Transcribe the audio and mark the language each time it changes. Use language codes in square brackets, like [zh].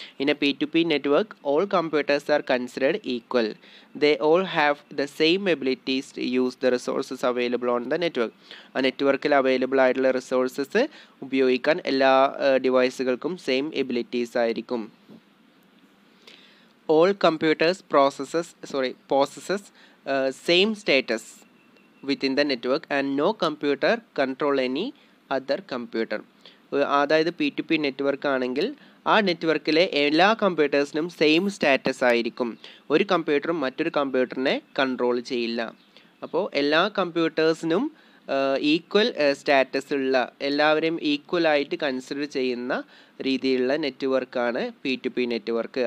[en] ഇനി P2P network, all computers are considered equal. They all have the same abilities to use the resources available on the network. [ml] ആ നെറ്റ്വർക്കിൽ available ആയിട്ടുള്ള resources ഉപയോഗിക്കാൻ എല്ലാ ഡിവൈസുകൾക്കും same abilities ആയിരിക്കും. [en] All computers possesses same status within the network and no computer control any other computer. [ml] അതായത് P two P network ആണെങ്കിൽ ആ നെറ്റ്വർക്കിലെ എല്ലാ കമ്പ്യൂട്ടേഴ്സിനും സെയിം സ്റ്റാറ്റസ് ആയിരിക്കും. ഒരു കമ്പ്യൂട്ടറും മറ്റൊരു കമ്പ്യൂട്ടറിനെ കൺട്രോൾ ചെയ്യില്ല. അപ്പോൾ എല്ലാ കമ്പ്യൂട്ടേഴ്സിനും ഈക്വൽ സ്റ്റാറ്റസ് ഉള്ള, എല്ലാവരെയും ഈക്വലായിട്ട് കൺസിഡർ ചെയ്യുന്ന രീതിയിലുള്ള നെറ്റ്വർക്കാണ് പി ടു പി നെറ്റ്വർക്ക്.